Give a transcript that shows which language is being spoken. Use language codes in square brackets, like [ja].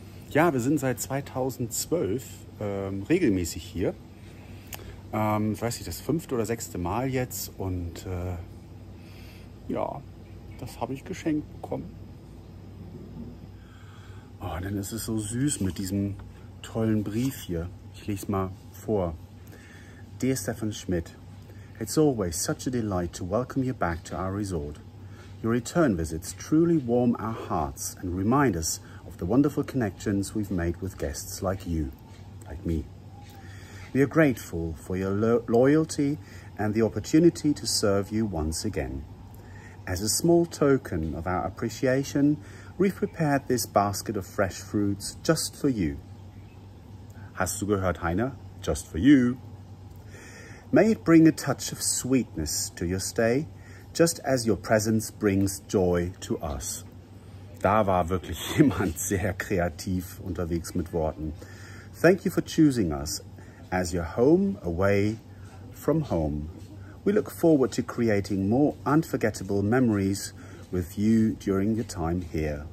[de] Ja, wir sind seit 2012 regelmäßig hier. Weiß nicht, das fünfte oder sechste Mal jetzt. Und ja, das habe ich geschenkt bekommen. Oh, dann ist es so süß mit diesem tollen Brief hier. Ich lese mal vor. [en] Dear Stefan Schmidt, it's always such a delight to welcome you back to our resort. Your return visits truly warm our hearts and remind us of the wonderful connections we've made with guests like you, like me. We are grateful for your loyalty and the opportunity to serve you once again. As a small token of our appreciation, we've prepared this basket of fresh fruits just for you. [de] Hast du gehört, Heiner? [en] Just for you. May it bring a touch of sweetness to your stay, just as your presence brings joy to us. [de] Da war wirklich jemand sehr kreativ unterwegs mit Worten. [en] Thank you for choosing us as your home away from home. We look forward to creating more unforgettable memories with you during your time here.